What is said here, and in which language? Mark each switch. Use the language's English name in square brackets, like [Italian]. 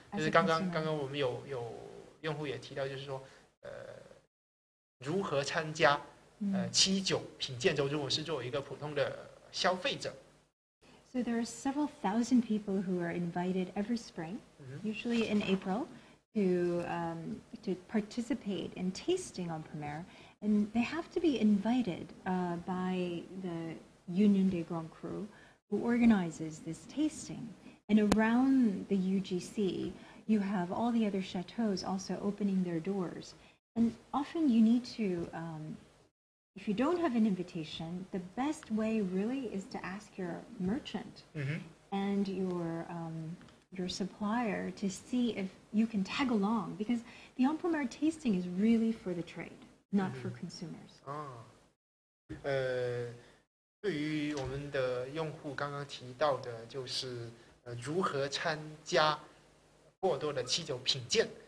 [Chinese] 就是刚刚我们有用户也提到，就是说，如何参加七九品鉴周？如果是作为一个普通的消费者 [English] ，So there are several thousand people who are invited every spring, usually in April, to participate in tasting en primaire, and they have to be invited by the Union des Grands Crus, who organizes this tasting. And around the UGC, you have all the other chateaus also opening their doors. And often you need to, if you don't have an invitation, the best way really is to ask your merchant and your supplier to see if you can tag along, because the en primaire tasting is really for the trade, not for consumers. [Chinese] 对于我们的用户刚刚提到的，就是如何参加波尔多的七酒品鉴。